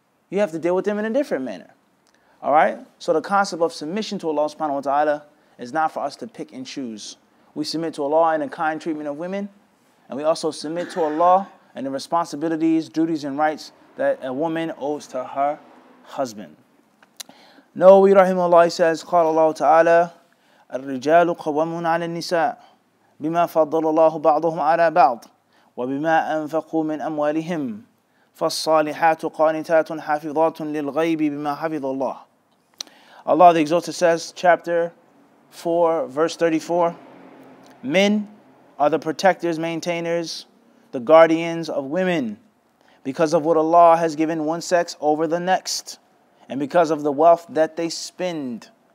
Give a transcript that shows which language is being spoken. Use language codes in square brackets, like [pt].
[en] You have to deal with them in a different manner. All right? So the concept of submission to Allah subhanahu wa ta'ala is not for us to pick and choose. We submit to Allah in the kind treatment of women, and we also submit to Allah and the responsibilities, duties, and rights that a woman owes to her husband. Nawawi rahimahullah says, [ar] قال الله تعالى الرجال قوامون على النساء بما فضل الله بعضهم على بعض وبما أنفقوا من أموالهم فالصالحات قانتات حافظات للغيب بما حفظ الله. [en] Allah the Exalted says, chapter 4, verse 34, men are the protectors, maintainers, the guardians of women, because of what Allah has given one sex over the next, and because of the wealth that they spend.